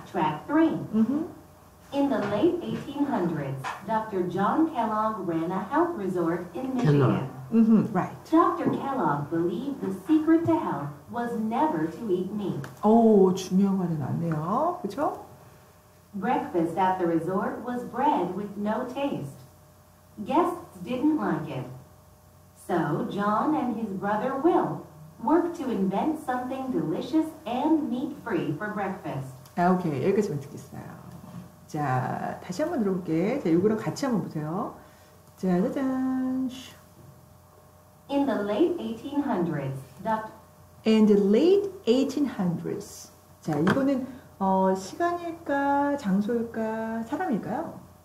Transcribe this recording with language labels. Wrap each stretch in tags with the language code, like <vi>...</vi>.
<en>Track 3. In the late 1800s, Dr. John Kellogg ran a health resort in Michigan. Right. Dr. Kellogg believed the secret to health was never to eat meat.</en> <ko>오, 중요한 말이 나왔네요. 그쵸?</ko> <en>Breakfast at the resort was bread with no taste. Guests didn't like it. So John and his brother Will worked to invent something delicious and meat-free for breakfast.</en> <ko>Okay, 여기까지만 듣겠어요. 자, 다시 한번 들어볼게. 자, 이거랑 같이 한번 보세요. 자, 짜잔.</ko> <en>In the late 1800s, In the late 1800s.</en> <ko>자, 이거는 시간일까, 장소일까, 사람일까요?</ko>